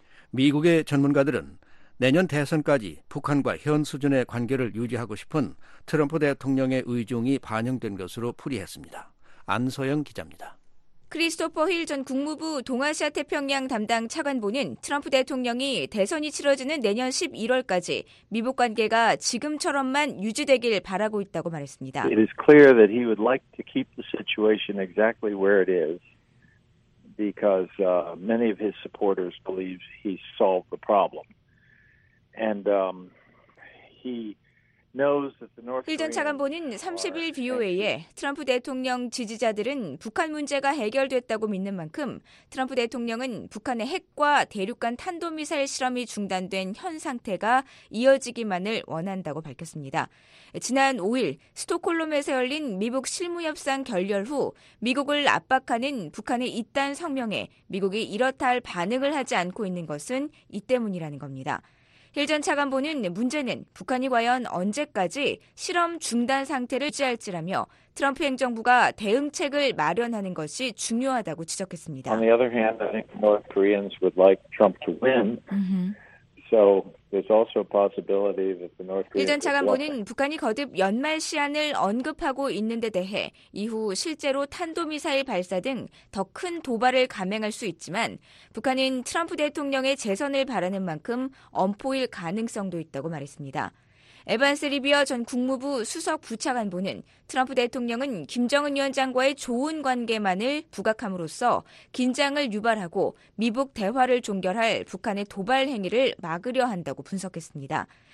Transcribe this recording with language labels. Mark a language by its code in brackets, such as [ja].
[ko] 미국의 전문가들은 내년 대선까지 북한과 현 수준의 관계를 유지하고 싶은 트럼프 대통령의 의중이 반영된 것으로 풀이했습니다. 안소영 기자입니다. 크리스토퍼 힐 전 국무부 동아시아 태평양 담당 차관보는 트럼프 대통령이 대선이 치러지는 내년 11월까지 미북 관계가 지금처럼만 유지되길 바라고 있다고 말했습니다. [en] It is clear that he would like to keep the situation exactly where it is. because many of his supporters believe he solved the problem. And he knows that the North Korean [ko] 차관보는 30일 VOA에 트럼프 대통령 지지자들은 북한 문제가 해결됐다고 믿는 만큼 트럼프 대통령은 북한의 핵과 대륙간 탄도미사일 실험이 중단된 현 상태가 이어지기만을 원한다고 밝혔습니다. 지난 5일 스톡홀름에서 열린 미국 실무협상 결렬 후 미국을 압박하는 북한의 잇단 성명에 미국이 이렇다 할 반응을 하지 않고 있는 것은 이 때문이라는 겁니다. 힐 전 차관보는 문제는 북한이 과연 언제까지 실험 중단 상태를 유지할지라며 트럼프 행정부가 대응책을 마련하는 것이 중요하다고 지적했습니다. [en] On the other hand, I think North Koreans would like Trump to win. So there's also a possibility that the North Koreans. [ko] 힐 전 차관보는 북한이 거듭 연말 시한을 언급하고 있는 데 대해 이후 실제로 탄도미사일 발사 등 더 큰 도발을 감행할 수 있지만 북한은 트럼프 대통령의 재선을 바라는 만큼 엄포일 가능성도 있다고 말했습니다. 에반스 리비어 전 국무부 수석 부차관보는 트럼프 대통령은 김정은 위원장과의 좋은 관계만을 부각함으로써 긴장을 유발하고 미북 대화를 종결할 북한의 도발 행위를 막으려 한다고 분석했습니다.